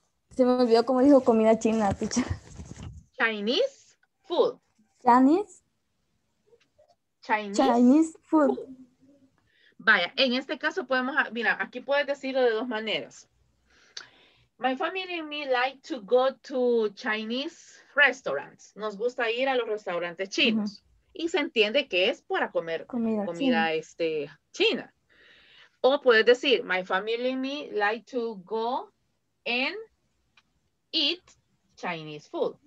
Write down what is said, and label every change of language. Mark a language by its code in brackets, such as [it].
[es] Se me olvidó cómo dijo comida china, teacher. [en] Chinese food. Chinese food. [es] Vaya, en este caso podemos, mira, aquí puedes decirlo de dos maneras. [en] My family and me like to go to Chinese restaurants. [es] Nos gusta ir a los restaurantes chinos. Uh-huh. Y se entiende que es para comer comida china. China. O puedes decir, [en] my family and me like to go and eat Chinese food.